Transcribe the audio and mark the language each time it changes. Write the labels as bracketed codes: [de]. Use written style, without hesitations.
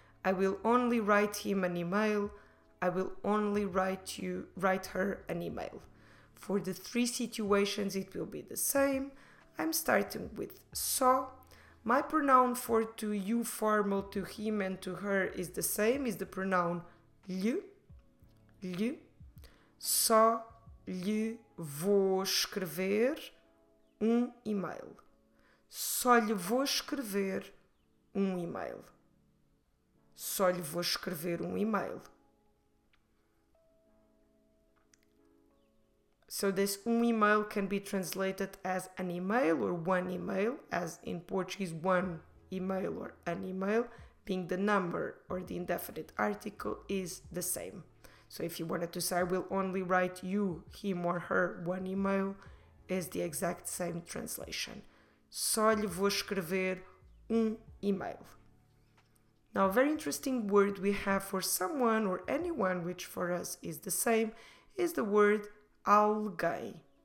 [en] I will only write him an email. I will only write her an email. For the three situations, it will be the same. I'm starting with só. My pronoun for to you, formal to him and to her, is the same, is the pronoun lhe. [pt] Lhe. Só lhe vou escrever e-mail. Só lhe vou escrever e-mail. Só lhe vou escrever e-mail. [en] So this email can be translated as an email or one email, as in Portuguese, one email or an email, being the number or the indefinite article is the same. So if you wanted to say, I will only write you, him or her, one email, is the exact same translation. [pt] Só lhe vou escrever e-mail. [en] Now, a very interesting word we have for someone or anyone, which for us is the same, is the word alguém.